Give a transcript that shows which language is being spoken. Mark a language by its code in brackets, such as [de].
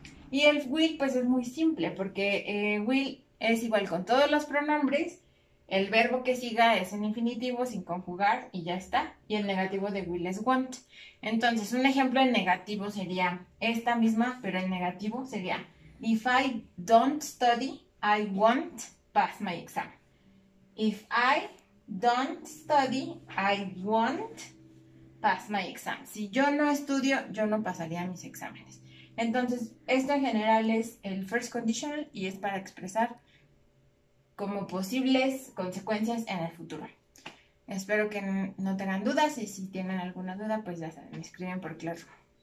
[es] Y el will, pues es muy simple, porque will es igual con todos los pronombres, el verbo que siga es en infinitivo sin conjugar y ya está, y el negativo de will es won't. Entonces, un ejemplo en negativo sería esta misma, pero en negativo sería, [en] if I don't study, I won't pass my exam. If I don't study, I won't pass my exam. [es] Si yo no estudio, yo no pasaría mis exámenes. Entonces, esto en general es el first conditional y es para expresar como posibles consecuencias en el futuro. Espero que no tengan dudas y si tienen alguna duda, pues ya saben, me escriben por Classroom.